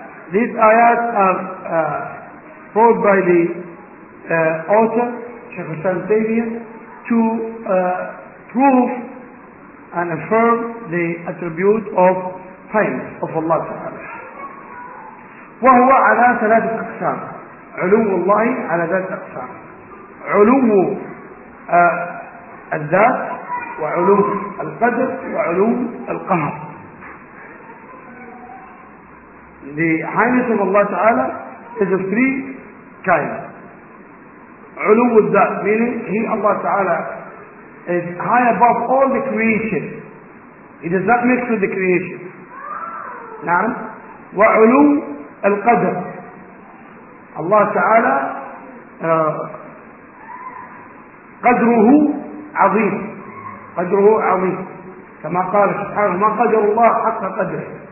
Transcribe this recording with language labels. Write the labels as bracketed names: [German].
[English] These ayat are brought by the author, Sheikh Hussain Tayyib, to prove and affirm the attribute of Primes of Allah تعالى. [Arabic] وهو على ثلاثة أقسام. علو الله على ثلاثة أقسام. علو الذات، وعلو القدر، وعلو القهر. [English] The highness of Allah Ta'ala is of three kinds. [Arabic] علو الذات [English] meaning he Allah Ta'ala is high above all the creation. He does not mix with the creation. [Arabic] نعم. وعلو القدر Allah Ta'ala قدره عظيم، قدره عظيم كما قال سبحانه ما قدر الله حق قدره.